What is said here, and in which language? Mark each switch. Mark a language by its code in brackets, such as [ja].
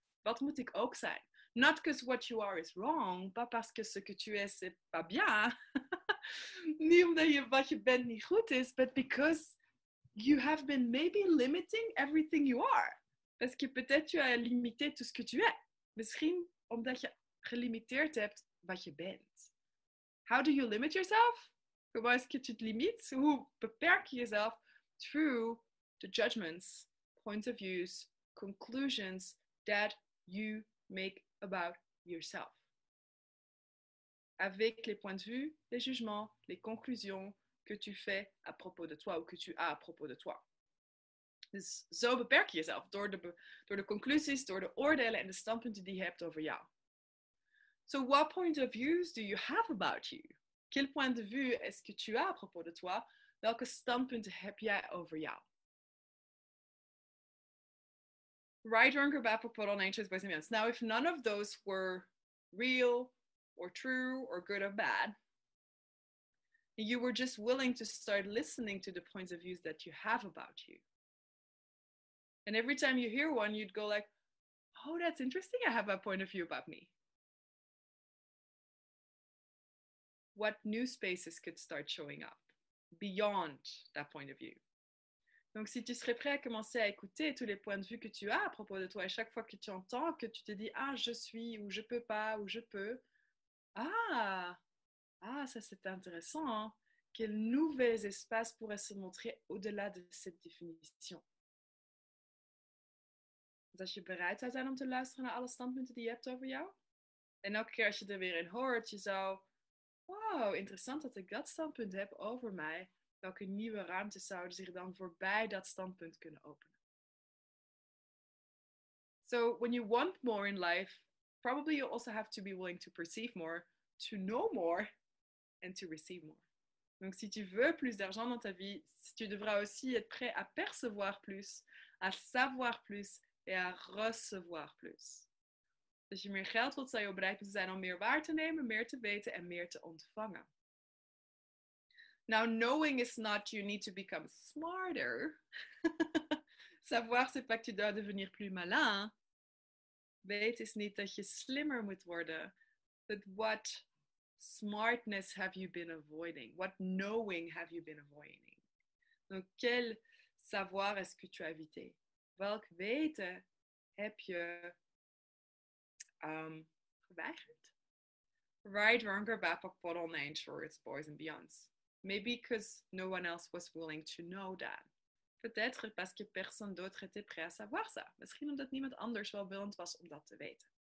[nl] Wat moet ik ook zijn? [en] Not because what you are is wrong, [fr] pas parce que ce que tu es, c'est pas bien. [nl] Ni omdat je wat je bent niet goed is, [en] but because you have been maybe limiting everything you are. [fr] Parce que peut-être tu as limité tout ce que tu es. [nl] Misschien omdat je gelimiteerd hebt wat je bent. [en] How do you limit yourself? [fr] Comment est-ce que tu te limites? [nl] Hoe beperk je jezelf? [en] Through the judgments, points of views, conclusions that you make about yourself. [fr] Avec les points de vue, les jugements, les conclusions que tu fais à propos de toi ou que tu as à propos de toi. [nl] Dus zo beperk je jezelf door de conclusies, door de oordelen en de standpunten die je hebt over jou. [en] So what point of views do you have about you? [fr] Quel point de vue est-ce que tu as à propos de toi? [nl] Welke standpunten heb jij over jou? [en] Right, wrong, or bad, purple, nature, boys and beyonds. Now, if none of those were real or true or good or bad, you were just willing to start listening to the points of views that you have about you. And every time you hear one, you'd go like, oh, that's interesting. I have a point of view about me. What new spaces could start showing up beyond that point of view? [fr] Donc, si tu serais prêt à commencer à écouter tous les points de vue que tu as à propos de toi, et chaque fois que tu entends, que tu te dis, ah, je suis, ou je peux pas, ou je peux. Ah, ça c'est intéressant, hein? Quels nouveaux espaces pourraient se montrer au-delà de cette définition? [nl] Als je bereid zou zijn om te luisteren naar alle standpunten die je hebt over jou. En elke keer als je er weer in hoort, je zou. Wow, interessant dat ik dat standpunt heb over mij. Welke nieuwe ruimtes zouden zich dan voorbij dat standpunt kunnen openen? [en] So, when you want more in life, probably you also have to be willing to perceive more, to know more, and to receive more. [fr] Donc, si tu veux plus d'argent dans ta vie, tu devras aussi être prêt à percevoir plus, à savoir plus. En ja, recevoir plus. [nl] Als je meer geld wilt, zou je bereid moeten zijn om meer waar te nemen, meer te weten en meer te ontvangen. [en] Now, knowing is not you need to become smarter. [fr] Savoir, c'est pas que tu dois devenir plus malin. [nl] Weten is niet dat je slimmer moet worden. [en] But what smartness have you been avoiding? What knowing have you been avoiding? [fr] Donc, quel savoir est-ce que tu as évité? [nl] Welk weten heb je geweigerd? [en] Right, wrong, or back, but all nine shorts, boys and beyonds. Maybe because no one else was willing to know that. [fr] Peut-être parce que personne d'autre était prêt à savoir ça. [nl] Misschien omdat niemand anders wel willend was om dat te weten.